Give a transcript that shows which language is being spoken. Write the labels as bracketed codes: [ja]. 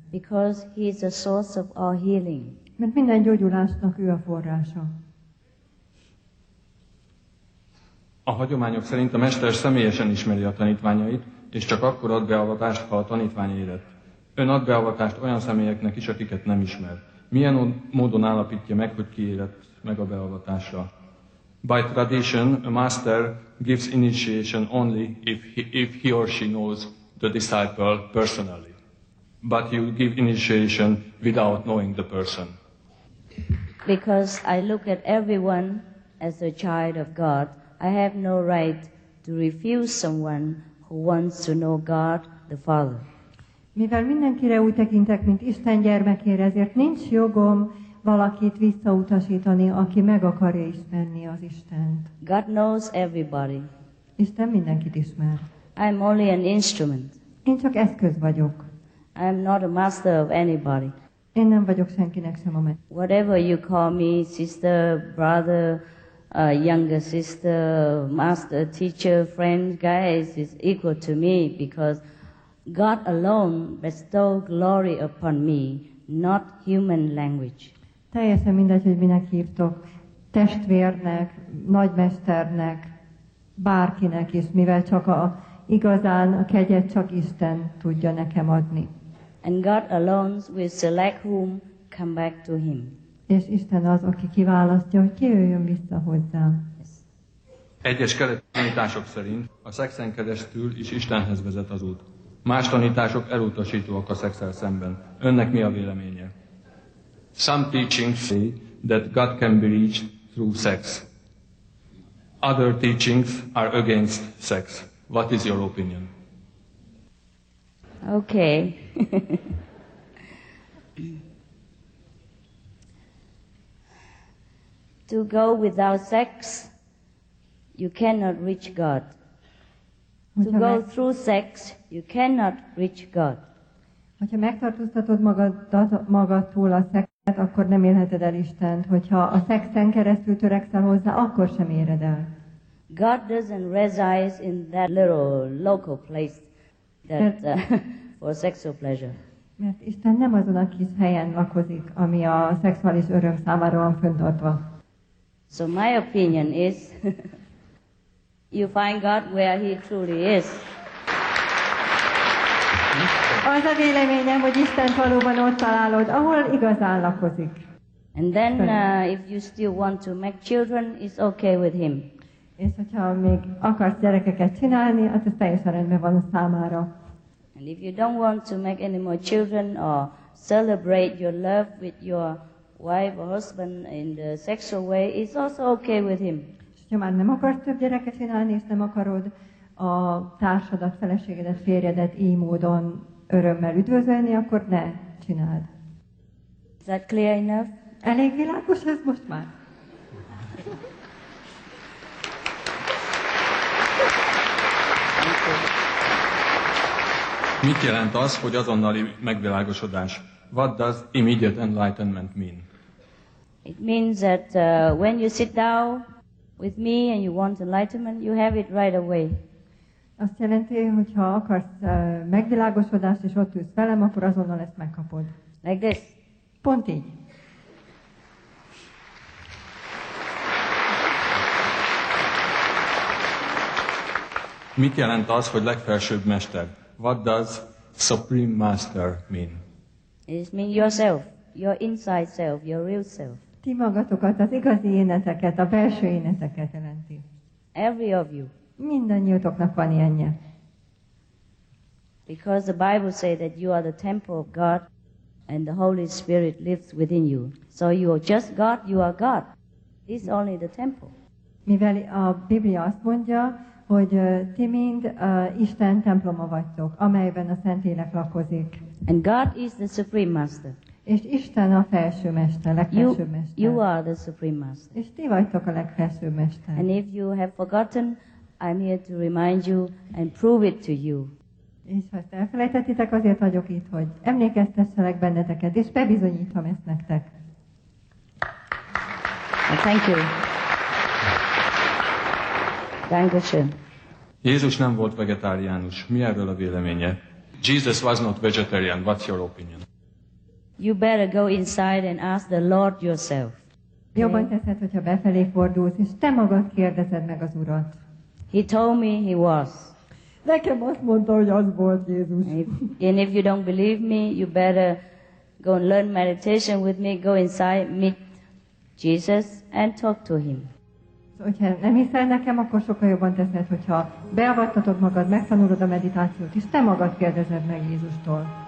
[en] Because he is the source of our healing. [hu] Mert minden gyógyulásnak ő a forrása. A hagyományok szerint a mester személyesen ismeri a tanítványait, és csak akkor ad beavatást, ha a tanítvány érett. Ön ad beavatást olyan személyeknek is, akiket nem ismer. Milyen módon állapítja meg, hogy ki érett meg a beavatásra? [en] By tradition, a master gives initiation only if he or she knows the disciple personally. But you give initiation without knowing the person. Because I look at everyone as a child of God, I have no right to refuse someone who wants to know God the Father. [hu] Mivel mindenkire úgy tekintek, mint Isten gyermekére, ezért nincs jogom valakit visszautasítani, aki meg akarja ismerni az Istent. [en] God knows everybody. [hu] Isten mindenkit ismer. [en] I'm only an instrument. [hu] Én csak eszköz vagyok. [en] I'm not a master of anybody. [hu] Én nem vagyok senkinek sem a mester. [en] Whatever you call me, sister, brother, younger sister, master, teacher, friend, guys, is equal to me because God alone bestows glory upon me, not human language. [hu] Teljesen mindegy, hogy minek hívtok, testvérnek, nagymesternek, bárkinek is, mivel csak a igazán a kegyet csak Isten tudja nekem adni. [en] And God alone will select whom come back to him. [hu] És Isten az, aki kiválasztja, hogy ki jöjjön vissza hozzám. [en] Yes. [hu] Egyes keleti tanítások szerint a szexen keresztül is Istenhez vezet az út. Más tanítások elutasítóak a szexel szemben. Önnek mi a véleménye? [en] Some teachings say that God can be reached through sex. Other teachings are against sex. What is your opinion? Okay. To go without sex, you cannot reach God. To go through sex, you cannot reach God. [hu] Hogyha megtartóztatod magadtól a szexet, akkor nem érheted el Istent. Hogyha a szexen keresztül törekszel hozzá, akkor sem éred el. [en] God doesn't reside in that little local place that for sexual pleasure. [hu] Mert Isten nem azon a kis helyen lakozik, ami a szexuális öröm számára van fönntartva. [en] So my opinion is, you find God where he truly is. [hu] Az a véleményem, hogy Isten valóban ott találod, ahol igazán lakozik. [en] And then, if you still want to make children, it's okay with him. [hu] És hogyha még akarsz gyerekeket csinálni, az teljesen rendben van a számára. [en] And if you don't want to make any more children or celebrate your love with your wife or husband in the sexual way, it's also okay with him. [hu] És ha már nem akarsz több gyereket csinálni, és nem akarod a társadat, feleségedet, férjedet így módon örömmel üdvözölni, akkor ne csináld. [en] Is that clear enough? [hu] Elég világos ez most már. Mit jelent az, hogy azonnali megvilágosodás? [en] What does immediate enlightenment mean? It means that when you sit down with me and you want enlightenment, you have it right away. [hu] Azt jelenti, hogy ha akarsz megvilágosodást és ott ülsz velem, akkor azonnal ezt megkapod. [en] Like this. [hu] Pont így. Mit jelent az, hogy legfelsőbb mester? [en] What does supreme master mean? It means yourself, your inside self, your real self. [hu] Ti Ti magatokat, az igazi éneteket, a belső éneteket jelenti. [en] Every of you. [hu] Mindannyiótoknak van ilyenje. [en] Because the Bible says that you are the temple of God and the Holy Spirit lives within you. So you are just God, you are God. He's only the temple. [hu] Mivel a Biblia azt mondja, hogy ti mind Isten temploma vagytok, amelyben a Szentlélek lakozik. [en] And God is the supreme master. [hu] És Isten a felső mester, legfelső mester. [en] You are the supreme master. [hu] És ti vagytok a legfelső mester. [en] And if you have forgotten, I'm here to remind you and prove it to you. [hu] És ha ezt elfelejtettitek, azért vagyok itt, hogy emlékeztesselek benneteket, és bebizonyítom ezt nektek. [en] Thank you. [de] Dankeschön. [hu] Jézus nem volt vegetáriánus. Mi erről a véleménye? [en] Jesus was not vegetarian. What's your opinion? You better go inside and ask the Lord yourself. Okay? [hu] Jobban teszed, hogyha befelé fordulsz, és te magad kérdezed meg az Urat. [en] He told me he was. [hu] Nekem azt mondta, hogy az volt Jézus. [en] And if you don't believe me, you better go and learn meditation with me, go inside, meet Jesus and talk to him. [hu] Hogyha nem hiszel nekem, akkor sokkal jobban teszed, hogyha beavattatod magad, megtanulod a meditációt, és te magad kérdezed meg Jézustól.